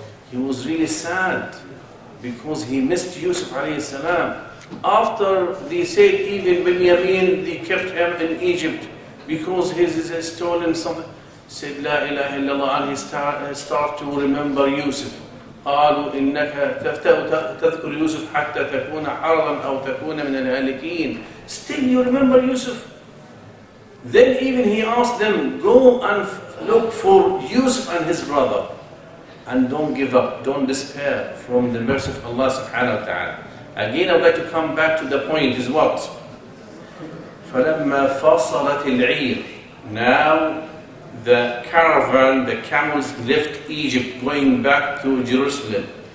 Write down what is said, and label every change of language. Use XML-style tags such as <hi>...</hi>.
<en>He was really sad because he missed Yusuf alayhi salam. After they said even Benjamin, they kept him in Egypt because he's stolen something. Said</en> <ar>La ilaha illallah,</ar> <en>and he start to remember Yusuf.</en> <ar>قالوا إنك تذكر يوسف حتى تكون حرا أو تكون من الهالكين.</ar> <en>Still you remember Yusuf. Then even he asked them, go and look for Yusuf and his brother and don't give up, don't despair from the mercy of Allah subhanahu wa ta'ala. Again, I'd like to come back to the point is what?</en> <ar>فَلَمَّا فَصَلَتِ الْعِيرِ</ar> <en>Now the caravan, the camels left Egypt going back to Jerusalem.</en>